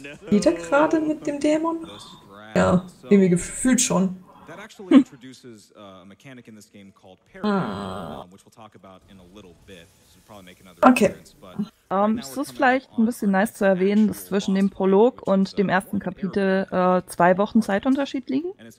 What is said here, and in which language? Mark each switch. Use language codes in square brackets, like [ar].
[de] Geht er gerade mit dem Dämon? Ja, irgendwie gefühlt schon. [en] That actually introduces a mechanic in this game called Parry, which we'll talk about in a little bit. Okay. [de] Es ist vielleicht ein bisschen nice zu erwähnen, dass zwischen dem Prolog und dem ersten Kapitel 2 Wochen Zeitunterschied liegen.